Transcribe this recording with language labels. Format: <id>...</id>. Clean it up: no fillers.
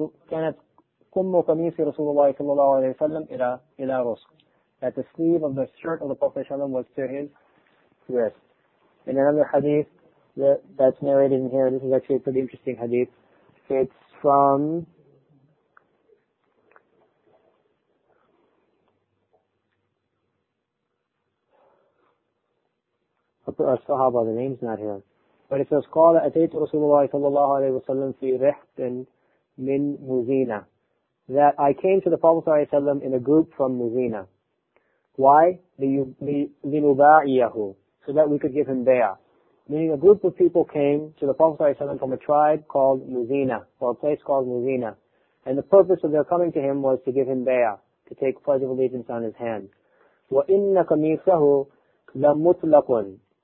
<ar>كانت كم قميص رسول الله صلى الله عليه وسلم إلى رسخ.</ar> <en>That the sleeve of the shirt of the Prophet صلى الله عليه وسلم was to his wrist. In another hadith that's narrated in here, this is actually a pretty interesting hadith. It's from a Sahaba, the name's not here. But it says,</en> <ar>قَالَ أَتَيْتُ رَسُولُ اللَّهِ صَلَى اللَّهُ عَلَيْهِ وَسَلَّمْ فِي رِحْتٍ مِّن مُزِينَ,</ar> <en>that I came to the Prophet صلى الله عليه وسلم in a group from Muzina. Why?</en> <ar>لِنُبَاعِيَهُ,</ar> <en>so that we could give him bay'ah. Meaning a group of people came to the Prophet ﷺ from a tribe called Muzina, or a place called Muzina. And the purpose of their coming to him was to give him bay'ah, to take pledge of allegiance on his hand.</en> <ar>وَإِنَّ قَمِيصَهُ لَمُطْلَقٌ.</ar>